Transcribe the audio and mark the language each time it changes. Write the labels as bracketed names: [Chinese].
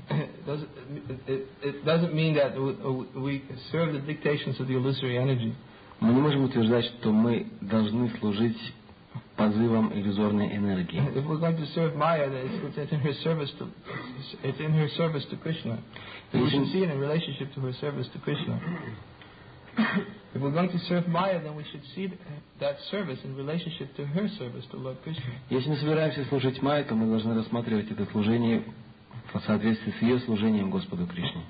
[English] it doesn't mean that we serve the dictations of the illusory energy. [Russian] Мы не можем утверждать, что мы должны служить позывам иллюзорной энергии. [English] If we're going to serve Maya, it's in her service to Krishna. We should see it in relationship to her service to Krishna. If we're going to serve Maya, then we should see that service in relationship to her service to Lord Krishna. [Russian] Если мы собираемся служить Майе, то мы должны рассматривать это служение в соответствии с ее служением Господу Кришне.